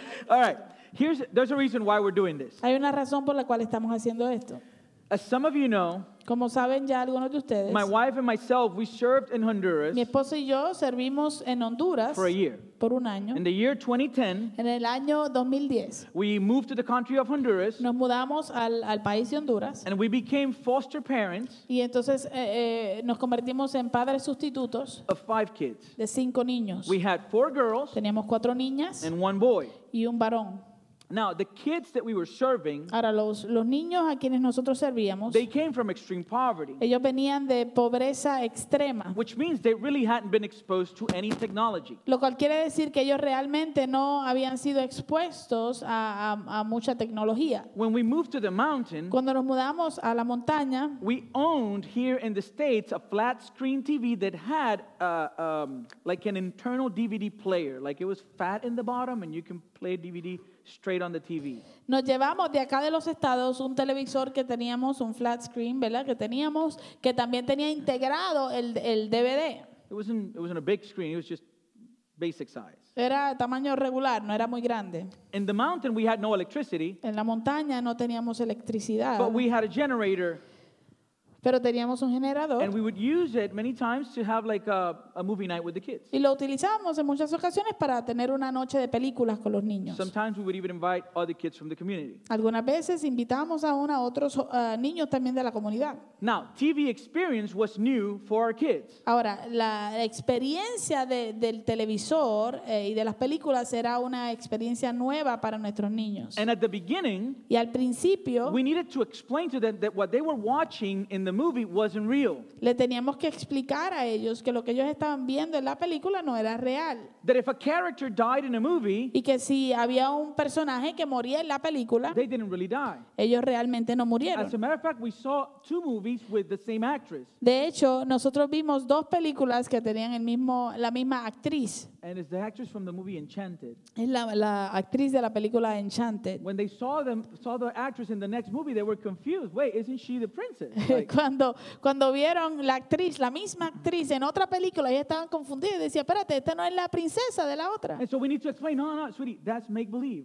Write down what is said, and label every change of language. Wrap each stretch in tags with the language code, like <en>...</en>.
<en>All right. There's a reason why we're doing this.</en> <es>Hay una razón por la cual estamos haciendo esto.</es> <en>As some of you know,</en> <es>como saben ya algunos de ustedes,</es> <en>my wife and myself, we served in Honduras,</en> <es>mi esposa y yo servimos en Honduras</es> <en>for a year.</en> <es>Por un año.</es> <en>In the year 2010,</en> <es>en el año 2010,</es> <en>we moved to the country of Honduras,</en> <es>nos mudamos al país de Honduras,</es> <en>and we became foster parents,</en> <es>y entonces nos convertimos en padres sustitutos</es> <en>of 5 kids,</en> <es>de 5 niños.</es> <en>We had 4 girls,</en> <es>teníamos 4 niñas,</es> <en>and 1 boy,</en> <es>y un varón.</es> <en>Now the kids that we were serving,</en> <es>ahora los niños a quienes nosotros servíamos,</es> <en>they came from extreme poverty.</en> <es>Ellos venían de pobreza extrema.</es> <en>Which means they really hadn't been exposed to any technology.</en> <es>Lo cual quiere decir que ellos realmente no habían sido expuestos a mucha tecnología.</es> <en>When we moved to the mountain,</en> <es>cuando nos mudamos a la montaña,</es> <en>we owned here in the States a flat screen TV that had like an internal DVD player, like it was fat in the bottom and you can play a DVD straight on the TV.</en> <es>Nos llevamos de acá de los Estados un televisor que teníamos, un flat screen, ¿verdad? Que teníamos, que también tenía integrado el DVD.</es> <en>It wasn't a big screen, it was just basic size.</en> <es>Era tamaño regular, no era muy grande.</es> <en>In the mountain we had no electricity.</en> <es>En la montaña no teníamos electricidad.</es> <en>But we had a generator.</en> <es>Pero teníamos un generador.</es> <en>And we would use it many times to have like a movie night with the kids.</en> <es>Y lo utilizábamos en muchas ocasiones para tener una noche de películas con los niños.</es> <en>Sometimes we would even invite other kids from the community.</en> <es>Algunas veces invitábamos aún a otros niños también de la comunidad.</es> <en>Now, TV experience was new for our kids.</en> <es>Ahora, la experiencia del televisor y de las películas era una experiencia nueva para nuestros niños.</es> <en>And at the beginning,</en> <es>y al principio,</es> <en>we needed to explain to them that what they were watching in the movie wasn't real.</en> <es>Le teníamos que explicar a ellos que lo que ellos estaban viendo en la película no era real.</es> <en>That if a character died in a movie,</en> <es>y que si había un personaje que moría en la película,</es> <en>they didn't really die.</en> <es>Ellos realmente no murieron.</es> <en>As a matter of fact, we saw two movies with the same actress.</en> <es>De hecho, nosotros vimos dos películas que tenían la misma actriz.</es> <en>And it's the actress from the movie Enchanted.</en> <es>Es la actriz de la película Enchanted.</es> <en>When they saw the actress in the next movie, they were confused. Wait, isn't she the princess? Like,</en> <es>cuando vieron la misma actriz en otra película, ellos estaban confundidos y decía, espérate, esta no es la princesa de la otra.</es> <en>And so we need to explain, no, sweetie, that's make-believe.</en>